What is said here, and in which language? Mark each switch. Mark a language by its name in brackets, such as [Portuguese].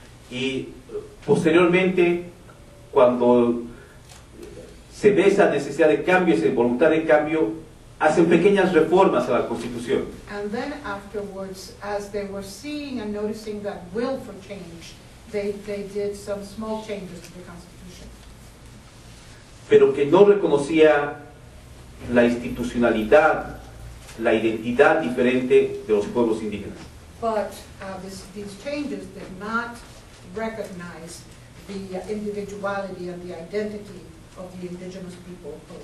[Spanish] Y posteriormente, cuando se ve esa necesidad de cambio, esa voluntad de cambio, hacen pequeñas reformas a la Constitución. [English] And then afterwards, as they were seeing and noticing that will for change, they did some small changes to the Constitution. [Spanish] Pero que no reconocía la institucionalidad, la identidad diferente de los pueblos indígenas. [English] But these changes did not recognize the individuality and the identity of the indigenous people.